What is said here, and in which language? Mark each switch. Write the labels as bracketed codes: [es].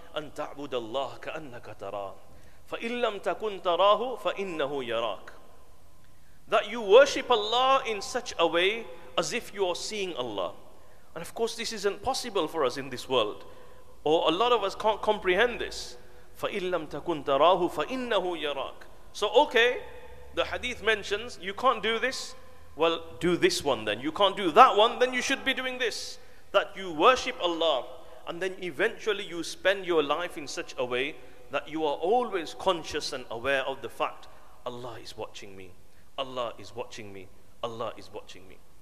[ar] أن تعبد الله كأنك تراه فإن لم تكن تراه فإنه يراك. [en] That you worship Allah in such a way as if you are seeing Allah. And of course this isn't possible for us in this world, or a lot of us can't comprehend this. [ar] فإن لم تكن تراه فإنه يراك. [en] So okay, the hadith mentions, you can't do this, well, do this one then. You can't do that one, then you should be doing this. That you worship Allah, and then eventually you spend your life in such a way that you are always conscious and aware of the fact, Allah is watching me, Allah is watching me, Allah is watching me.